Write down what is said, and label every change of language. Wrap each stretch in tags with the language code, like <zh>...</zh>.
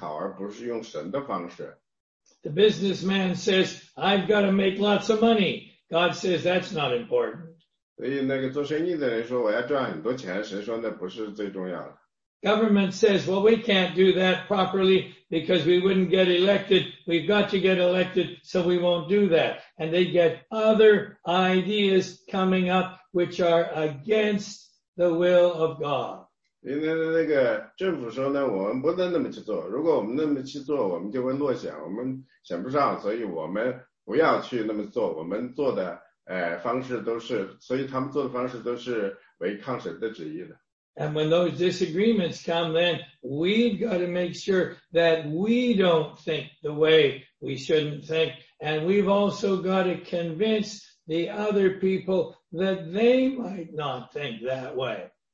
<zh>我们通常被教着要想着用世界的方式思考,而不是用神的方式。</zh> <en>The businessman says, I've got to make lots of money. God says, that's not important.</en> <zh>所以那个做生意的人说,我要赚很多钱,神说那不是最重要的。</zh> <en>Government says, well, we can't do that properly because we wouldn't get elected. We've got to get elected, so we won't do that. And they get other ideas coming up which are against the will of God.</en> <zh>因为那个政府说呢,我们不能那么去做。如果我们那么去做,我们就会落选。我们想不上,所以我们不要去那么做。我们做的方式都是,所以他们做的方式都是违抗神的旨意的。</zh> <en>And when those disagreements come, then we've got to make sure that we don't think the way we shouldn't think. And we've also got to convince the other people that they might not think that way.</en>